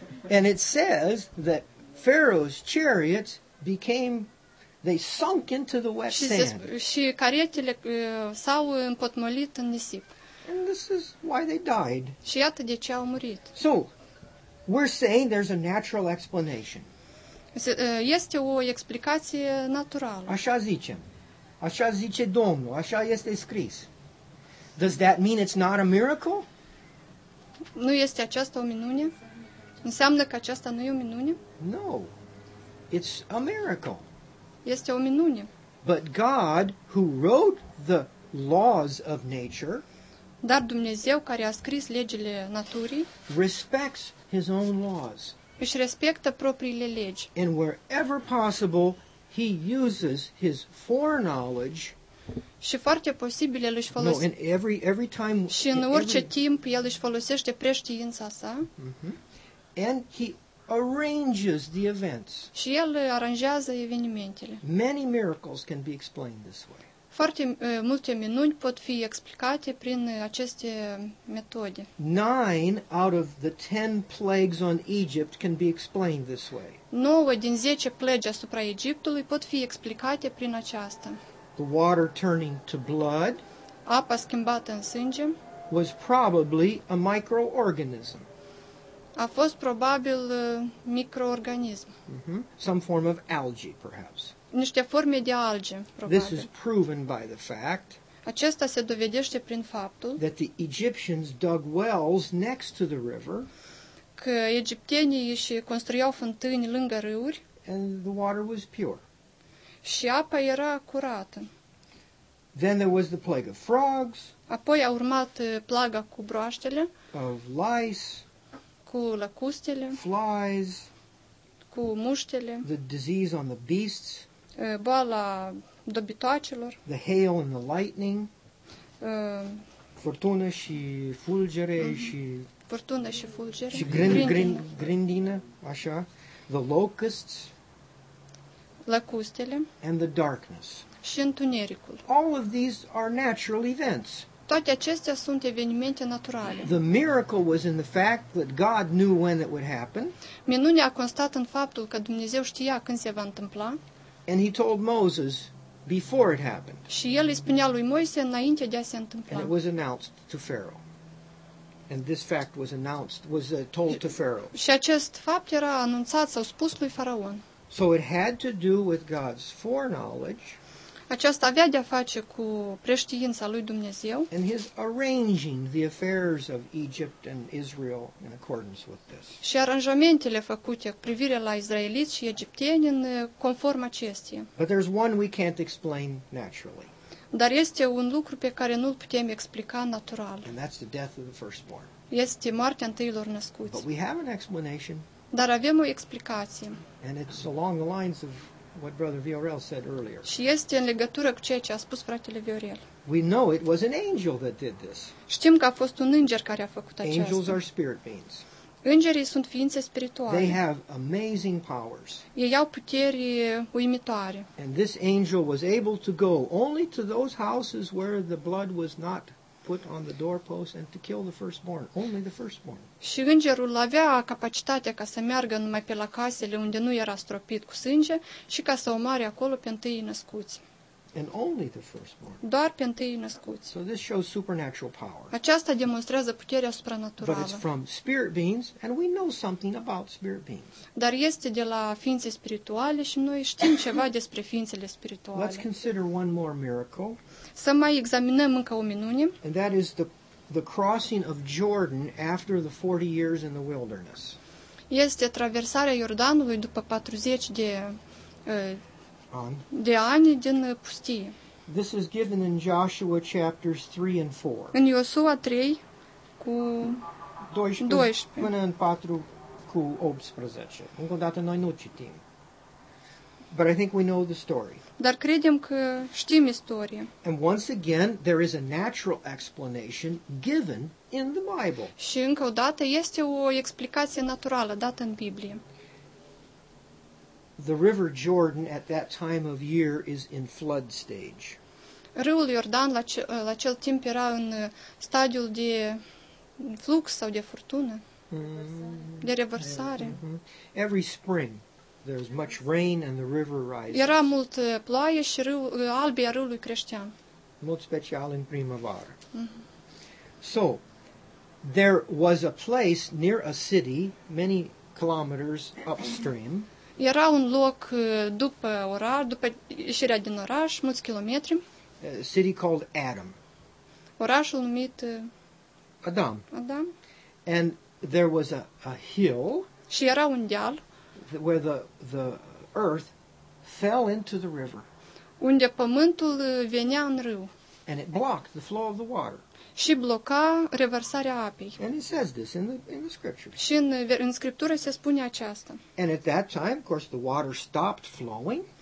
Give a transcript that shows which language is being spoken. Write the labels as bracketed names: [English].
[English] And it says that Pharaoh's chariots they sunk into the wet sand. [Romanian] Și caretele s-au împotmolit în nisip. [English] And this is why they died. [Romanian] Și iată de ce au murit. [English] So, we're saying there's a natural explanation. [Romanian] Este o explicație naturală. Așa zicem. Așa zice Domnul. Așa este scris. [English] Does that mean it's not a miracle? [Romanian] Nu este aceasta o minune? Înseamnă că aceasta nu e o minune? [English] No. It's a miracle. [Romanian] Este o minune. [English] But God, who wrote the laws of nature, [Romanian] dar Dumnezeu care a scris legile naturii, [English] respects his own laws. [Romanian] Își respectă propriile legi. [English] And wherever possible, he uses his foreknowledge. [Romanian] Și foarte posibil el își folosește. [English] No, every time. [Romanian] Și în orice timp el își folosește preștiința sa. [English] And he arranges the events. [Romanian] Și el aranjează evenimentele. [English] Many miracles can be explained this way. [Romanian] Foarte multe minuni pot fi explicate prin aceste metode. [English] 9 out of the 10 plagues on Egypt can be explained this way. [Romanian] 9 din 10 plăgi asupra Egiptului pot fi explicate prin aceasta. [English] The water turning to blood, [Romanian] apa schimbată în sânge, [English] was probably a microorganism. [Romanian] A fost probabil microorganism. [English] Some form of algae, perhaps. [Romanian] Niște forme de alge, probabil. [English] This is proven by the fact. [Romanian] Acesta se dovedește prin faptul [English] that the Egyptians dug wells next to the river. [Romanian] Că egiptenii își construiau fântâni lângă râuri. [English] And the water was pure. [Romanian] Și apa era curată. [English] Then there was the plague of frogs. [Romanian] Apoi a urmat plaga cu broaștele. [English] Of lice. [Romanian] Cu lăcustele. [English] Flies. [Romanian] Cu muștele. [English] The disease on the beasts. [Romanian] Boala dobitoacelor. [English] The hail and the lightning. [Romanian] Furtună și fulgere și. Furtună și fulgere. Și grindină, așa. [English] The locusts. [Romanian] Lăcustele. [English] And the darkness. [Romanian] Și întunericul. [English] All of these are natural events. [Romanian] Toate acestea sunt evenimente naturale. [English] The miracle was in the fact that God knew when it would happen. [Romanian] Minunea a constat în faptul că Dumnezeu știa când se va întâmpla. [English] And he told Moses before it happened. [Romanian] Și el îi spunea lui Moise înainte de a se întâmpla. [English] And it was announced to Pharaoh. And this fact was announced, was told to Pharaoh. [Romanian] Și acest fapt era anunțat sau spus lui Faraon. [English] So it had to do with God's foreknowledge. [Romanian] Aceasta avea de-a face cu preștiința lui Dumnezeu. [English] And his arranging the affairs of Egypt and Israel in accordance with this. [Romanian] Și aranjamentele făcute cu privire la izraeliți și egipteni în conform acestea. [English] But there's one we can't explain naturally. [Romanian] Dar este un lucru pe care nu-l putem explica natural. [English] And that's the death of the firstborn. [Romanian] Este moartea întâilor născuți. [English] But we have an explanation. [Romanian] Dar avem o explicație. [English] And it's along the lines of what Brother Viorel said earlier. [Romanian] Și este în legătură cu ceea ce a spus fratele Viorel. [English] We know it was an angel that did this. [Romanian] Știm că a fost un înger care a făcut aceasta. [English] Angels are spirit beings. [Romanian] Îngerii sunt ființe spirituale. [English] They have amazing powers. [Romanian] Ei au puteri uimitoare. [English] And this angel was able to go only to those houses where the blood was not put on the doorpost and to kill the firstborn, only the firstborn. [Romanian] Și îngerul avea capacitatea ca să meargă numai pe la casele unde nu era stropit cu sânge și ca să omoare acolo pe întâii născuți. [English] and only the firstborn. [Romanian] Doar pe întâi născuți. [English] So this shows supernatural power. [Romanian] Aceasta demonstrează puterea supranaturală. [English] But it's from spirit beings, and we know something about spirit beings. [Romanian] Dar este de la ființe spirituale și noi știm ceva despre ființele spirituale. [English] Let's consider one more miracle. [Romanian] Să mai examinăm încă o minune. [English] And that is the crossing of Jordan after the 40 years in the wilderness. [Romanian] Este traversarea Iordanului după 40 de de ani din pustie. [English] This is given in Joshua chapters 3 and 4. [Romanian] În Iosua 3 cu 12 până în 4 cu 18. Încă o dată noi nu citim. [English] But I think we know the story. [Romanian] Dar credem că știm istorie. [English] And once again, there is a natural explanation given in the Bible. [Romanian] Și încă o dată este o explicație naturală dată în Biblie. [English] The River Jordan at that time of year is in flood stage. [Romanian] Râul Iordan la acel timp era în stadiul de flux sau de furtună, de revărsare. [English] Every spring there's much rain and the river rises. [Romanian] Era mult ploaie și albia râului creștea. Mult special în primăvară. [English] So there was a place near a city many kilometers upstream. [Romanian] Era un loc după oraș, după ieșirea din oraș, mulți kilometri. [English] A city called Adam. [Romanian] Orașul numit Adam. Adam. [English] And there was a hill. [Romanian] Și era un deal. [English] Where the earth fell into the river. [Romanian] Unde pământul venea în râu. [English] And it blocked the flow of the water. [Romanian] Și bloca revărsarea apei. [English] And it says this in the scripture. [Romanian] Și în scriptură se spune aceasta. [English] And at that time, of course, the water stopped flowing.